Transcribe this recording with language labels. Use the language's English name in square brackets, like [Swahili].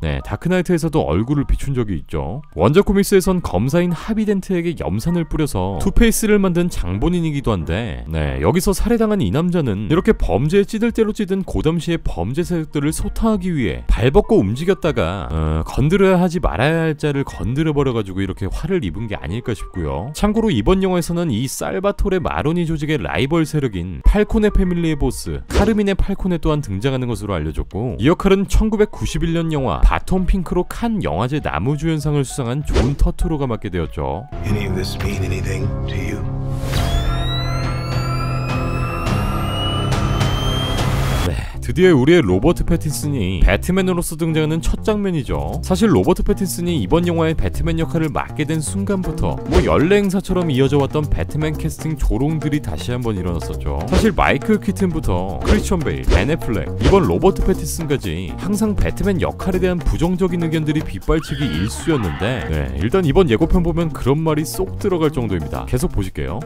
[Korean] 네, 다크나이트에서도 얼굴을 비춘 적이 있죠. 원작 코믹스에선 검사인 하비덴트에게 염산을 뿌려서 투페이스를 만든 장본인이기도 한데 네, 여기서 살해당한 이 남자는 이렇게 범죄에 찌들대로 찌든 고담시의 범죄 세력들을 소탕하기 위해 발벗고 움직였다가 건드려야 하지 말아야 할 자를 건드려버려가지고 이렇게 화를 입은 게 아닐까 싶고요. 참고로 이번 영화에서는 이 살바토레 마로니 조직의 라이벌 세력인 팔코네 패밀리의 보스 카르미네 팔코네 또한 등장하는 것으로 알려졌고 이 역할은 1991년 영화 바톤 핑크로 칸 영화제 남우주연상을 수상한 존 터투로가 맡게 되었죠. [English] Any of this mean anything to you? [Korean] 드디어 우리의 로버트 패틴슨이 배트맨으로서 등장하는 첫 장면이죠. 사실 로버트 패틴슨이 이번 영화의 배트맨 역할을 맡게 된 순간부터 뭐 연례 행사처럼 이어져 왔던 배트맨 캐스팅 조롱들이 다시 한번 일어났었죠. 사실 마이클 키튼부터 크리스천 베일, 벤 애플렉, 이번 로버트 패틴슨까지 항상 배트맨 역할에 대한 부정적인 의견들이 빗발치기 일쑤였는데 네, 일단 이번 예고편 보면 그런 말이 쏙 들어갈 정도입니다. 계속 보실게요.